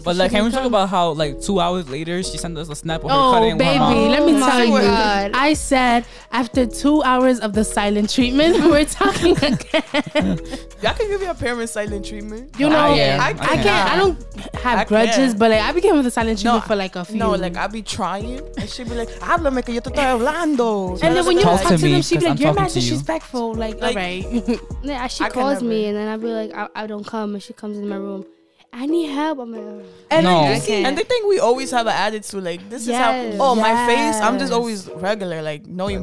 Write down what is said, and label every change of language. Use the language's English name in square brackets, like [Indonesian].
[English] But like, can we talk about how like 2 hours later she sent us a snap of her cutting her mom? Oh, baby, let me tell you. I said, after 2 hours of the silent treatment, we're talking again. Y'all can give your parents silent treatment. You know, I can't. I don't have grudges, but like, I became with the silent treatment for like a few. No, like, I'd be trying. And she'd be like, [Spanish] habla me que yo te estoy hablando. [English] And then when you talk to them, she'd be like, you're mad disrespectful. Like, all right. She calls me, and then I'd be like, I don't come. And she comes in my room. I need help. I'm like, and no. And the thing we always have an attitude, like, this is how, my face, I'm just always regular, like, no emotion.